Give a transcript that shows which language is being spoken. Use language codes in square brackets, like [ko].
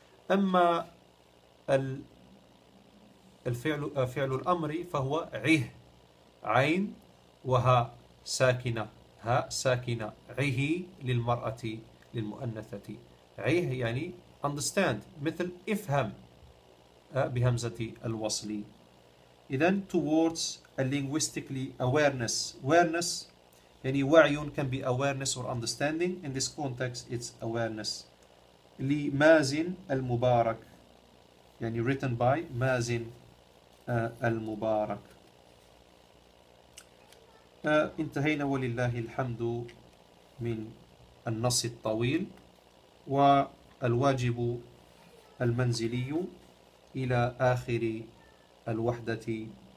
[ar] أما الفعل فعل الأمر فهو عه, عين وها ساكنة, ها ساكنة, عه للمرأة للمؤنثة, عه يعني understand مثل افهم بهمزة الوصل. [en] إذن towards a linguistically awareness, awareness [ar] يعني وعي, [en] can be awareness or understanding, in this context it's awareness. [ar] لمازن المبارك يعني [en] written by [ar] مازن المبارك. انتهينا ولله الحمد من النص الطويل, والواجب المنزلي إلى آخر الوحدة.